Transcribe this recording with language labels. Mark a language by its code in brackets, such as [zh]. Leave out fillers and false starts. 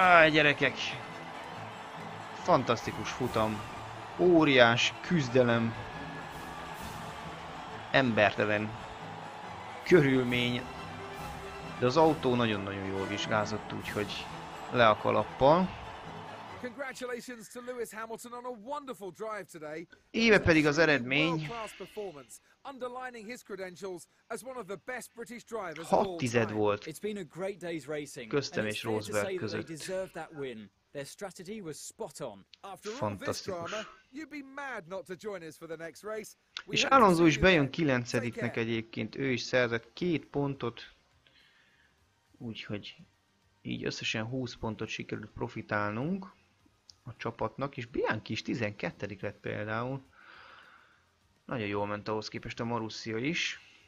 [hu] Gyerekek! Fantasztikus futam. Óriás küzdelem. Embertelen körülmény. De az autó nagyon-nagyon jól vizsgázott, úgyhogy le a kalappal. [en] Congratulations to Lewis Hamilton on a wonderful drive today. [hu] Éve pedig az eredmény. [en] Underlining his credentials as one of the best British drivers. [hu] 6 tized volt. [en] It's been a great day's racing. [hu] Köztem és Rosberg között. [en] Deserved that win. Their strategy was spot on. After all this drama, you'd be mad not to join us for the next race. [hu] És Alonso is bejön 9-nek egyébként. Ő is szerzett 2 pontot. Úgyhogy így összesen 20 pontot sikerült profitálnunk a csapatnak, és Bianchi is 12. lett például. Nagyon jól ment ahhoz képest a Marussia is.